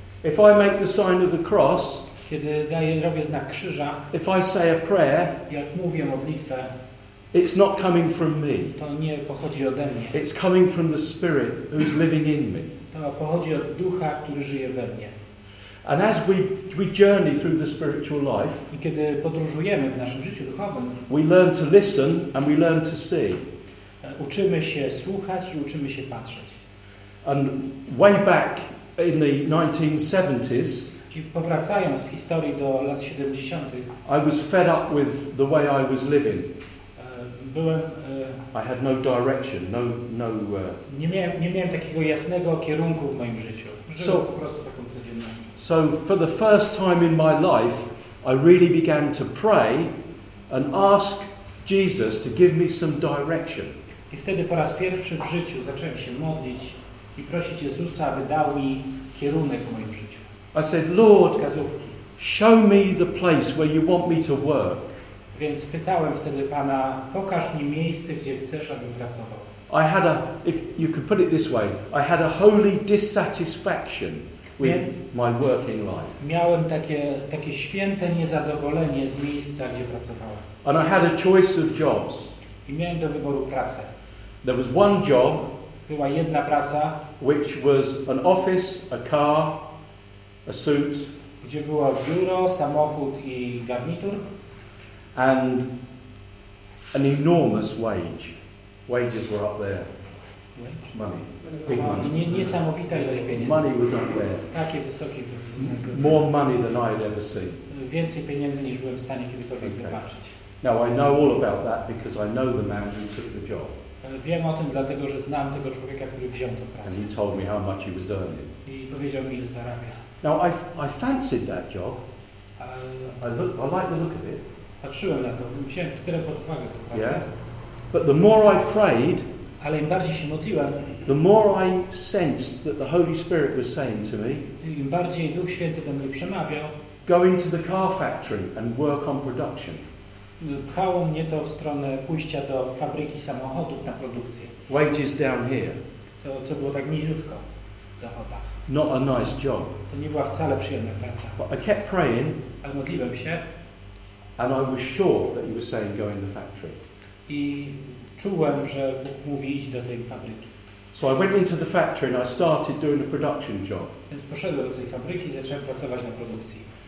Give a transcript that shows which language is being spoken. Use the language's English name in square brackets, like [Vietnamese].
[English] If I make the sign of the cross, [Polish] kiedy robię znak krzyża, [English] if I say a prayer, [Polish] jak mówię modlitwę, [English] it's not coming from me. [Polish] To nie pochodzi ode mnie. [English] It's coming from the Spirit who's living in me. [Polish] To pochodzi od Ducha, który żyje we mnie. [English] And as we journey through the spiritual life, [Polish] i kiedy podróżujemy w naszym życiu duchowym, [English] we learn to listen and we learn to see. [Polish] Uczymy się słuchać i uczymy się patrzeć. [English] And way back in the 1970s, [Polish] i powracając w historii do lat 70. [English] I was fed up with the way I was living. [Polish] Byłem, [English] I had no direction, no [Polish] nie miałem takiego jasnego kierunku w moim życiu. Żyłem po prostu taką codzienność. [English] So for the first time in my life, I really began to pray and ask Jesus to give me some direction. [Polish] I wtedy po raz pierwszy w życiu zacząłem się modlić i prosić Jezusa, aby dał mi kierunek w moim życiu. [English] I said, Lord, show me the place where you want me to work. [Polish] Więc pytałem wtedy Pana, pokaż mi miejsce, gdzie chcesz, abym pracował. [English] I had a, if you could put it this way, I had a holy dissatisfaction with my working life. [Polish] Miałem takie święte niezadowolenie z miejsca, gdzie pracowałem. [English] And I had a choice of jobs. [Polish] I miałem do wyboru pracę. [English] There was one job. [Polish] Była jedna praca. [English] Which was an office, a car, a suit. [Polish] Gdzie było biuro, samochód i garnitur. [English] And an enormous wage. Wages were up there. Money. Big money. [Polish] Niesamowita ilość pieniędzy. [English] Money was up there. [Polish] Takie wysokie pieniądze. [English] More money than I had ever seen. [Polish] Więcej pieniędzy niż byłem w stanie kiedykolwiek zobaczyć. [English] Now I know all about that because I know the man who took the job. [Polish] Wiem o tym dlatego, że znam tego człowieka, który wziął tę pracę. [English] And he told me how much he was earning. [Polish] I powiedział mi, ile zarabia. [English] Now I fancied that job. I like the look of it. [Polish] Patrzyłem na to. Wziąłem tyle pod uwagę tę pracę. [English] Yeah. But the more I prayed, [Polish] ale im bardziej się modliłem, [English] the more I sensed that the Holy Spirit was saying to me, [Polish] im bardziej Duch Święty do mnie przemawiał, [English] go into the car factory and work on production. [Polish] Pchało mnie to w stronę pójścia do fabryki samochodów na produkcję. [English] Wages down here. [Polish] Co było tak niziutko dochoda. [English] Not a nice job. [Polish] To nie była wcale przyjemna praca. [English] But I kept praying, [Polish] ale modliłem się, [English] and I was sure that he was saying go in the factory. [Polish] I czułem, że Bóg mówi iść do tej fabryki. [English] So I went into the factory and I started doing a production job. [Polish] Więc poszedłem do tej fabryki i zacząłem pracować na produkcji.